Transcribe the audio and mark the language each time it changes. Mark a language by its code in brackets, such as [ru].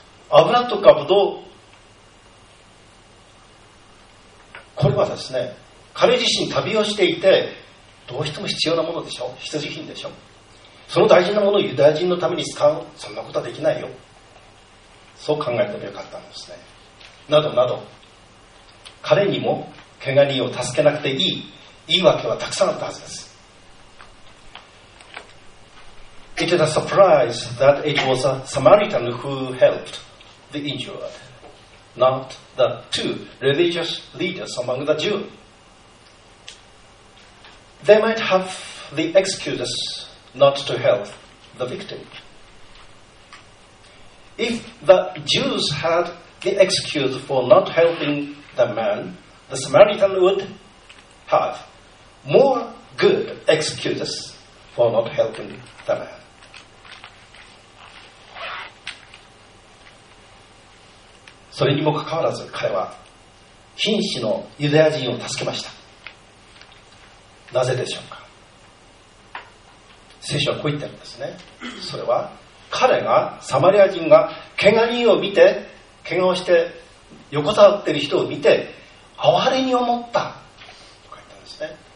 [ja] 油とかぶどう、これはですね、彼自身旅をしていてどうしても必要なものでしょ、必需品でしょ。その大事なものをユダヤ人のために使う、そんなことはできないよ、そう考えてもよかったんですね。などなど、彼にも怪我人を助けなくていい言い訳はたくさんあったはずです。 [en] It is a surprise that it was a Samaritan who helped the injured, not the two religious leaders among the Jews. They might have the excuses not to help the victim. If the Jews had the excuse for not helping the man, the Samaritan would have more good excuses for not helping the man. [ja] それにもかかわらず彼は瀕死のユダヤ人を助けました。なぜでしょうか。聖書はこう言ってるんですね。それは彼が、サマリア人が怪我人を見て、怪我をして横たわっている人を見て哀れに思ったと書いてあるんですね。